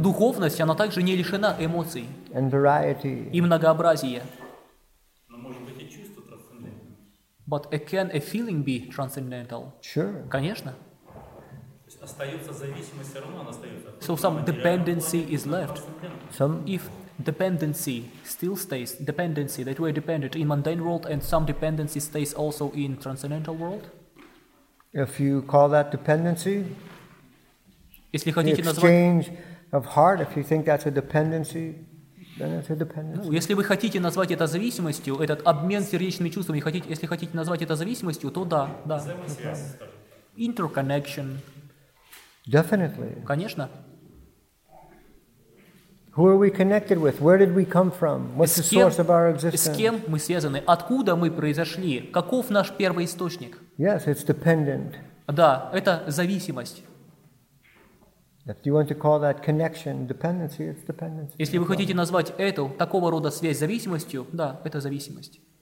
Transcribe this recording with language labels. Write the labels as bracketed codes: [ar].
[ru] Духовность, она также не лишена эмоций. [en] And variety. [ru] И многообразие. Но может быть и чувство трансцендентное. [en] But can a feeling be transcendental? Sure. [ru] Конечно. Остается зависимость, все равно она остается. [en] So some dependency is left. Some. If dependency still stays, dependency that we're dependent in mundane world and some dependency stays also in transcendental world? If you call that dependency, [ru] если хотите [en] the exchange of heart, if you think that's a dependency, then it's a dependency. [ru] Ну, если вы хотите назвать это зависимостью, этот обмен сердечными чувствами, если хотите назвать это зависимостью, то да, да. [en] Interconnection. Definitely. [ru] Конечно. [en] Who are we connected with? Where did we come from? What's the source of our existence? [ru] С кем мы связаны? Откуда мы произошли? Каков наш первый источник? [en] Yes, it's dependent. [ru] Да, это зависимость. [en] If you want to call that connection dependency, it's dependency. [ru] Если вы хотите назвать эту такого рода связь зависимостью, да, это зависимость.